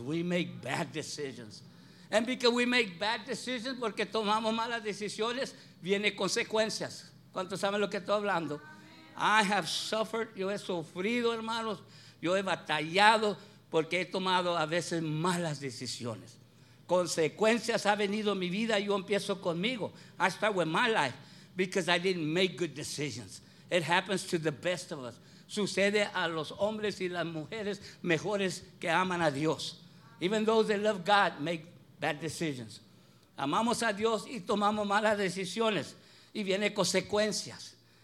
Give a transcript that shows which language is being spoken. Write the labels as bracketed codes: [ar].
[en] We make bad decisions. And because we make bad decisions, [es] porque tomamos malas decisiones, viene consecuencias. ¿Cuántos saben lo que estoy hablando? [en] I have suffered. [es] Yo he sufrido, hermanos. Yo he batallado porque he tomado a veces malas decisiones. Consecuencias ha venido en mi vida. Yo empiezo conmigo. [en] I start with my life because I didn't make good decisions. It happens to the best of us. [es] Sucede a los hombres y las mujeres mejores que aman a Dios. [en] Even those that love God make bad decisions. [es] Amamos a Dios y tomamos malas decisiones y vienen consecuencias.